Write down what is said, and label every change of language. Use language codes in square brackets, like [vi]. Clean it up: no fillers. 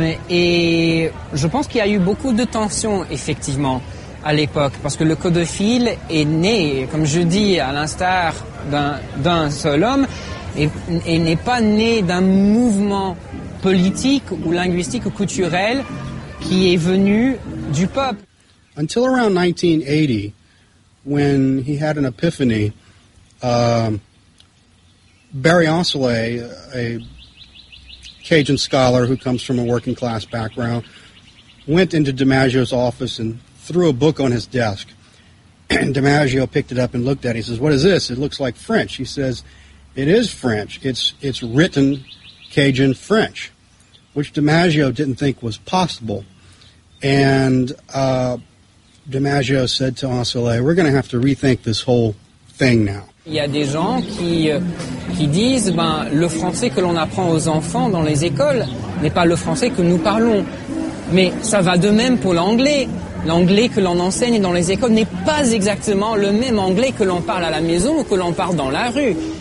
[fr] Et je pense qu'il y a eu beaucoup de tensions, effectivement, à l'époque, parce que le Code d'Office est né, comme je dis, à l'instar d'un seul homme, et n'est pas né d'un mouvement politique ou linguistique ou culturel qui est venu du peuple. [en] Until around 1980, when he had an epiphany, Barry Oncelet, a Cajun scholar who comes from a working class background, went into DiMaggio's office and threw a book on his desk. And DiMaggio picked it up and looked at it. He says, "What is this? It looks like French." He says, "It is French. It's written Cajun French," which DiMaggio didn't think was possible. And DiMaggio said to Oncelet, "We're going to have to rethink this whole thing now." [fr] Il y a des gens qui disent, ben, le français que l'on apprend aux enfants dans les écoles n'est pas le français que nous parlons. Mais ça va de même pour l'anglais. L'anglais que l'on enseigne dans les écoles n'est pas exactement le même anglais que l'on parle à la maison ou que l'on parle dans la rue.